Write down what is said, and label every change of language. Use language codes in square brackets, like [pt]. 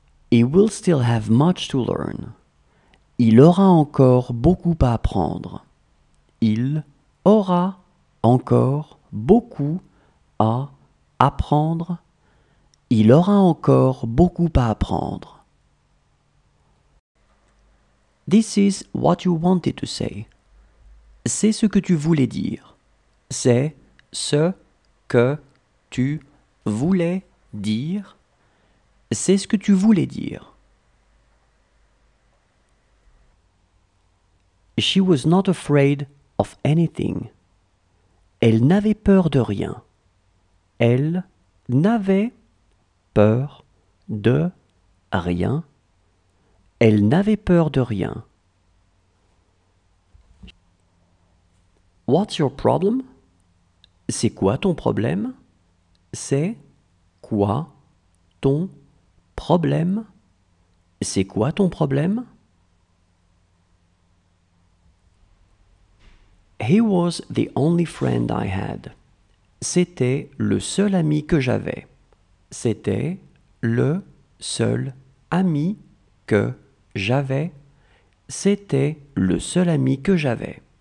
[en] He will still have much to learn. [fr] Il aura encore beaucoup à apprendre. Il aura encore beaucoup à apprendre. Il aura encore beaucoup à apprendre. [en] This is what you wanted to say. [fr] C'est ce que tu voulais dire. C'est ce que tu voulais dire. C'est ce que tu voulais dire. [en] She was not afraid of anything. [fr] Elle n'avait peur de rien. Elle n'avait peur de rien. Elle n'avait peur de rien. [en] What's your problem? [fr] C'est quoi ton problème? C'est quoi ton problème? C'est quoi ton problème? [en] He was the only friend I had. [fr] C'était le seul ami que j'avais. C'était le seul ami que j'avais. C'était le seul ami que j'avais.